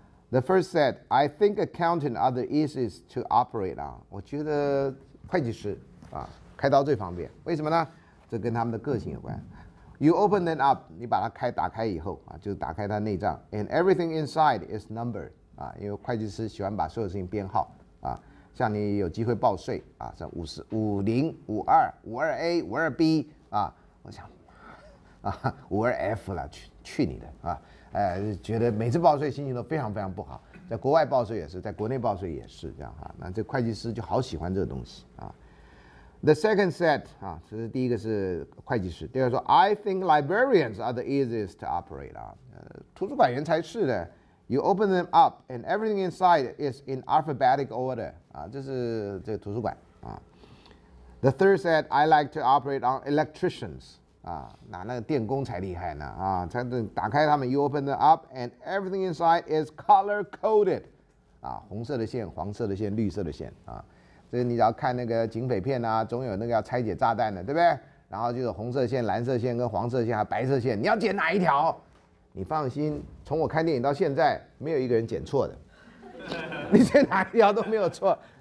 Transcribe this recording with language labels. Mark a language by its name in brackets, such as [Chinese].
[English] The first said, "I think accountant are the easiest to operate on." [Chinese] 我觉得会计师啊，开刀最方便。为什么呢？这跟他们的个性有关。 [English] You open them up， [Chinese] 你把它开打开以后啊，就打开它内脏。 [English] And everything inside is numbered [Chinese] 啊，因为会计师喜欢把所有事情编号啊。像你有机会报税啊，像50、50、52、52A、52B 啊，我想啊，52F 了，去你的啊！觉得每次报税心情都非常非常不好，在国外报税也是，在国内报税也是这样哈。那这会计师就好喜欢这个东西啊。 [English] The second set [Chinese] 啊，其实第一个是会计师，第二个说 [English] I think librarians are the easiest to operate [Chinese] 啊，图书馆员才是的。 [English] You open them up and everything inside is in alphabetic order [Chinese] 啊，这是这个图书馆啊。 [English] The third set I like to operate on electricians。 [Chinese] 啊，哪那个电工才厉害呢？啊，才能打开他们。 [English] You open them up, and everything inside is color coded. [Chinese] 啊，红色的线、黄色的线、绿色的线啊，这你只要看那个警匪片啊，总有那个要拆解炸弹的，对不对？然后就是红色线、蓝色线跟黄色线还白色线，你要剪哪一条？你放心，从我看电影到现在，没有一个人剪错的，你剪哪一条都没有错。